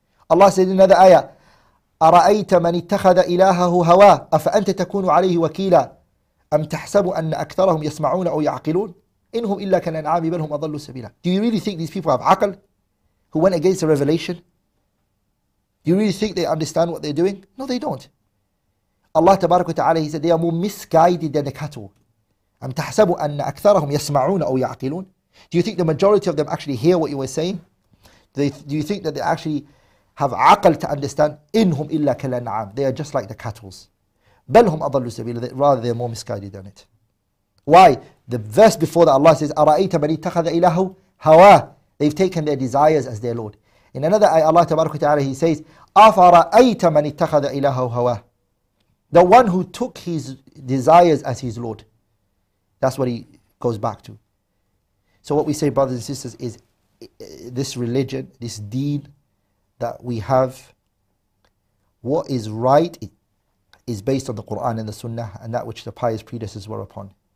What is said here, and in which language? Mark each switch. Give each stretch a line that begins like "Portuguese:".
Arabic: Allah said in another ayah, أرأيت من اتخذ إلهه هواه أفأنت تكون عليه وكيلا أم تحسب أن أكثرهم يسمعون أو يعقلون إنهم إلا كالأنعام بل هم أضل سبيلا.
English: Do you really think these people have عقل who went against the revelation? Do you really think they understand what they're doing? No, they don't. Allah تبارك وتعالى, he said, they are more misguided than the cattle.
Arabic: أم تحسب أن أكثرهم يسمعون أو يعقلون.
English: Do you think the majority of them actually hear what you were saying? Do you think that they actually have عقل to understand?
Arabic: إنهم إلا كالأنعام.
English: They are just like the cattle.
Arabic: بلهم أضلوا سبيلا.
English: Rather, they are more misguided than it. Why? The verse before that, Allah says,
Arabic: أرأيت من اتخذ إلهه هواه.
English: They've taken their desires as their Lord. In another ayah, Allah تبارك وتعالى, he says,
Arabic: أفرأيت من اتخذ إلهه هواه.
English: The one who took his desires as his Lord. That's what he goes back to. So what we say, brothers and sisters, is this religion, this deen, that we have, what is right is based on the Quran and the Sunnah, and that which the pious predecessors were upon.